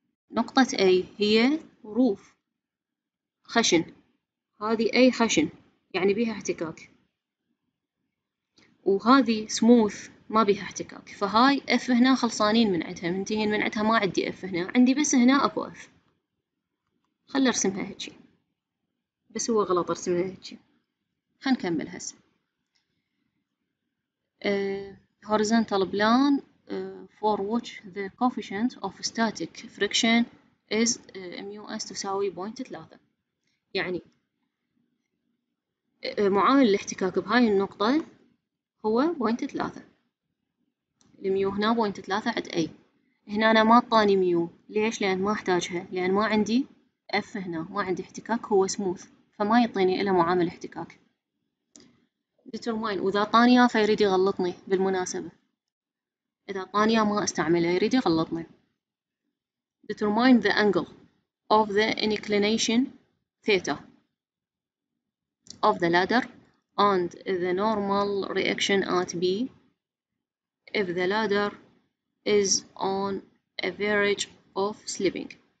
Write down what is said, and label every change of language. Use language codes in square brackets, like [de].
[ar] نقطة A هي roof خشن، هذه أي خشن يعني بيها احتكاك، وهذه سموث ما بيها احتكاك، فهاي F هنا خلصانين من عندها، منتهين من عندها، ما عندي F هنا، عندي بس هنا أكو F. خل أرسمها هيجي، بس هو غلط أرسمها هيجي. خنكمل هسه. [en] Horizontal plane for which the coefficient of static friction is μs [ar] تساوي [en] 0.3. [ar] يعني معامل الاحتكاك بهاي النقطة هو 0.3، الميو هنا 0.3 عند A. هنا أنا ما أعطاني ميو، ليش؟ لأن ما أحتاجها، لأن ما عندي F هنا، ما عندي احتكاك، هو سموث فما يعطيني إلا معامل احتكاك. determine وإذا أعطاني إياه فيريد يغلطني، بالمناسبة إذا أعطاني إياه ما أستعمله، يريد يغلطني. [en] determine the angle of the inclination theta of the ladder and the normal reaction at B if the ladder is on average of slipping.